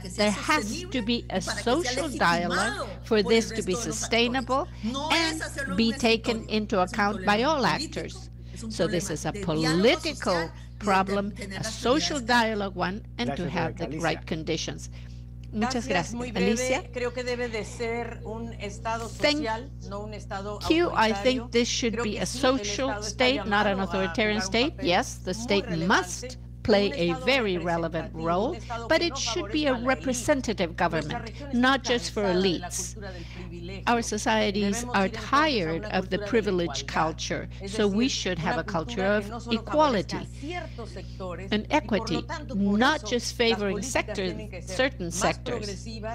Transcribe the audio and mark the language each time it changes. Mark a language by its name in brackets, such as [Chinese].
[English] There has to be a social dialogue for this to be sustainable and be taken into account by all actors. So this is a political problem, a social dialogue one, and to have the right conditions. [Spanish] Muchas gracias, Alicia. Creo que debe de ser un estado social, no un estado autoritario. [English] I think this should be a social state, not an authoritarian state. Yes, the state must play a very relevant role, but it should be a representative government, not just for elites. Our societies are tired of the privileged culture, so we should have a culture of equality and equity, not just favoring certain sectors.